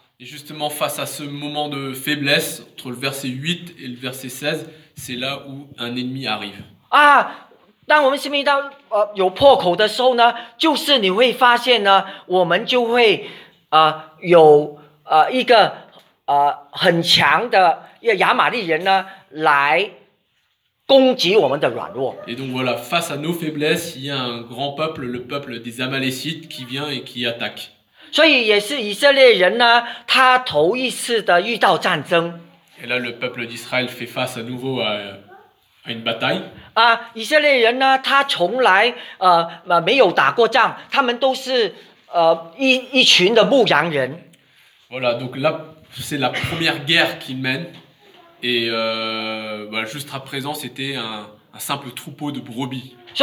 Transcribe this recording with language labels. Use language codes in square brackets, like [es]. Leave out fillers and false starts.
[fr] Et justement, face à ce moment de faiblesse, entre le verset 8 et le verset 16, c'est là où un ennemi arrive. [zh] Ah, 当我们心里到, 有破口的时候呢, 就是你会发现呢, 我们就会, 有, 一个, 很强的, 亚玛力人呢, 来, [fr] Et donc voilà, face à nos faiblesses, il y a un grand peuple, le peuple des Amalécites, qui vient et qui attaque. Et là, le peuple d'Israël fait face à nouveau à une bataille. [zh] Ah, 以色列人呢, 他从来, 没有打过仗, 他们都是, 一群的牧羊人. [fr] Voilà, donc là, c'est la première guerre qu'ils mènent. Et voilà, juste à présent, c'était un simple troupeau de brebis.